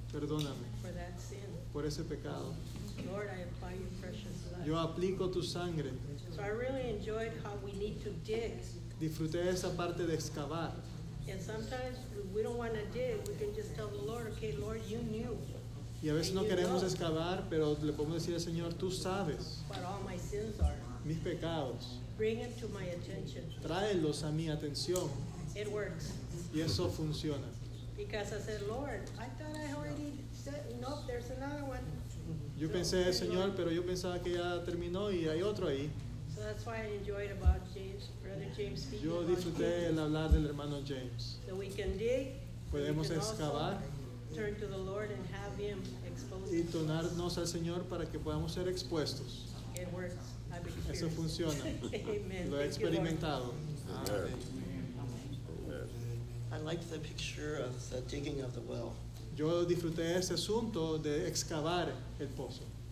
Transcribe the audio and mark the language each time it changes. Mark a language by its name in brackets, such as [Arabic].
[Spanish] Perdóname. [English] For that sin. [Spanish] Por ese pecado. [English] Lord, I apply your precious blood. [Spanish] Yo aplico tu sangre. [English] So I really enjoyed how we need to dig. [Spanish] Disfruté esa parte de excavar. [English] And sometimes we don't want to dig. We can just tell the Lord, okay, Lord, you knew. [Spanish] Y a veces no queremos excavar, pero le podemos decir al Señor, tú sabes. [English] What all my sins are. [Spanish] Mis pecados. [English] Bring it to my attention. [Spanish] Tráelos a mi atención. [English] It works. [Spanish] Y eso funciona. [English] Because I said, Lord, I thought I already said, nope, there's another one. [Spanish] Yo pensé, Señor, pero yo pensaba que ya terminó y hay otro ahí. [English] So that's why I enjoyed about James, Brother James speaking. [Spanish] Yo disfruté el hablar del hermano James. [English] So we can dig. [Spanish] Podemos excavar. [English] Turn to the Lord and have him exposed. [Spanish] Y tornarnos al Señor para que podamos ser expuestos. [English] It works. I've experienced. [Spanish] Eso funciona. [English] Amen. [Spanish] Lo he experimentado. [English] I liked the picture of the digging of the well. [Spanish] Yo disfruté ese asunto de excavar el pozo.